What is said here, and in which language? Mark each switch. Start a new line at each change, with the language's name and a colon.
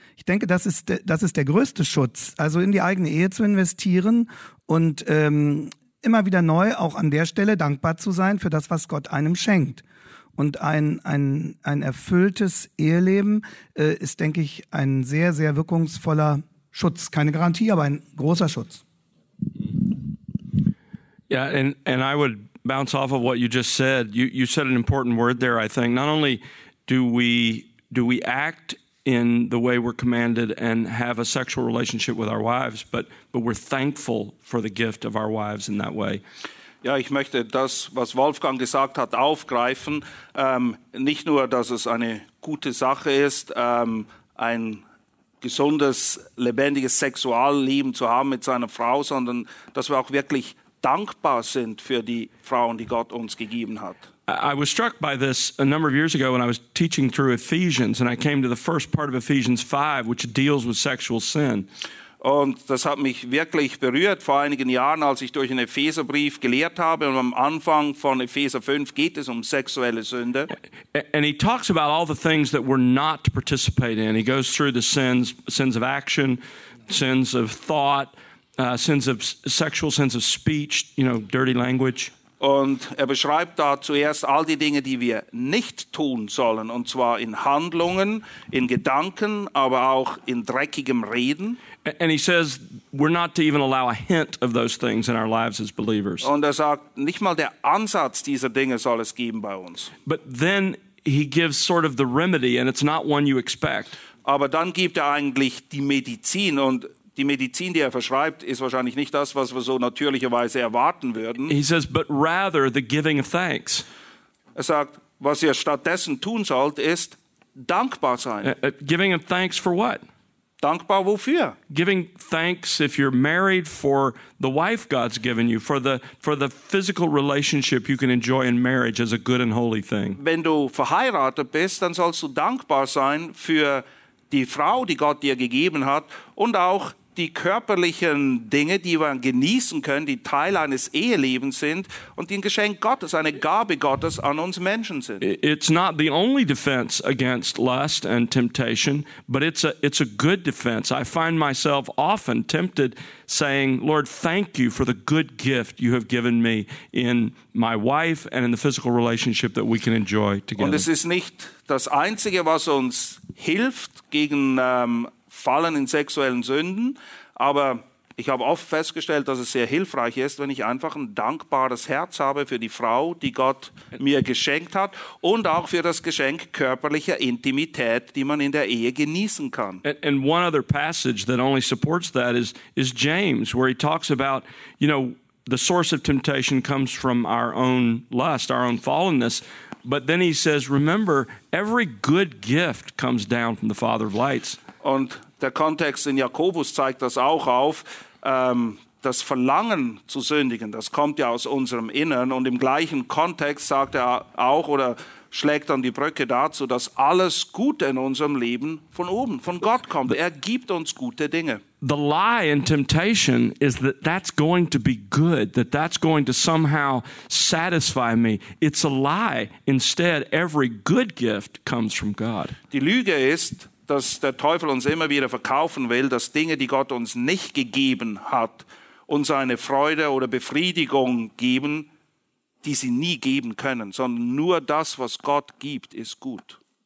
German: Ich denke, das ist der größte Schutz, also in die eigene Ehe zu investieren und immer wieder neu auch an der Stelle dankbar zu sein für das, was Gott einem schenkt. Und ein erfülltes Eheleben ist, denke ich, ein sehr, sehr wirkungsvoller Schutz. Keine Garantie, aber ein großer Schutz.
English: Yeah, and I would bounce off of what you just said. You said an important word there, I think. Not only do we act in the way we're commanded and have a sexual relationship with our wives, but we're thankful for the gift of our wives in that way.
German: Ja, ich möchte das, was Wolfgang gesagt hat, aufgreifen. Nicht nur, dass es eine gute Sache ist, ein gesundes, lebendiges Sexualleben zu haben mit seiner Frau, sondern dass wir auch wirklich dankbar sind für die Frauen, die Gott uns gegeben hat.
English: I was struck by this a number of years ago when I was teaching through Ephesians, and I came to the first part of Ephesians 5, which deals with sexual sin.
German: Und das hat mich wirklich berührt vor einigen Jahren, als ich durch einen Epheserbrief gelehrt habe. Und am Anfang von Epheser 5 geht es um sexuelle Sünde.
English: And he talks about all the things that we're not to participate in. He goes through the sins of action, sins of thought, sins of sexual, sins of speech, you know, dirty language.
German: Und er beschreibt da zuerst all die Dinge, die wir nicht tun sollen, und zwar in Handlungen, in Gedanken, aber auch in dreckigem Reden.
English: And he says we're not to even allow a hint of those things in our lives as believers.
German: Und er sagt, nicht mal der Ansatz dieser Dinge soll es geben bei uns.
English: But then he gives sort of the remedy, and it's not one you expect.
German: Aber dann gibt er eigentlich die Medizin, und die Medizin, die er verschreibt, ist wahrscheinlich nicht das, was wir so natürlicherweise erwarten würden.
English: He says, but rather the giving of thanks.
German: Er sagt, was ihr stattdessen tun sollt, ist dankbar sein.
English: Giving thanks for what?
German: Dankbar wofür?
English: Giving thanks if you're married for the wife God's given you, for the physical relationship you can enjoy in marriage as a good and holy thing.
German: Wenn du verheiratet bist, dann sollst du dankbar sein für die Frau, die Gott dir gegeben hat, und auch die körperlichen Dinge, die man genießen kann, die Teil eines Ehelebens sind und die ein Geschenk Gottes, eine Gabe Gottes an uns Menschen sind.
English: It's not the only defense against lust and temptation, but it's a good defense. I find myself often tempted saying, Lord, thank you for the good gift you have given me in my wife and in the physical relationship that we can enjoy together.
German: Und es ist nicht das Einzige, was uns hilft gegen Fallen in sexuellen Sünden, aber ich habe oft festgestellt, dass es sehr hilfreich ist, wenn ich einfach ein dankbares Herz habe für die Frau, die Gott mir geschenkt hat, und auch für das Geschenk körperlicher Intimität, die man in der Ehe genießen kann.
English: And one other passage that only supports that is James, where he talks about, you know, the source of temptation comes from our own lust, our own fallenness. But then he says, remember, every good gift comes down from the Father of Lights.
German: Und der Kontext in Jakobus zeigt das auch auf, das Verlangen zu sündigen, das kommt ja aus unserem Innern. Und im gleichen Kontext sagt er auch oder schlägt dann die Brücke dazu, dass alles Gute in unserem Leben von oben, von Gott kommt. Er gibt uns gute Dinge.
English: The lie in temptation is that that's going to be good, that that's going to somehow satisfy me. It's a lie. Instead, every good gift comes from God.
German: Die Lüge ist, dass der Teufel uns immer wieder verkaufen will, dass Dinge, die Gott uns nicht gegeben hat, uns eine Freude oder Befriedigung geben, die sie nie geben können, sondern nur das, was Gott gibt, ist gut.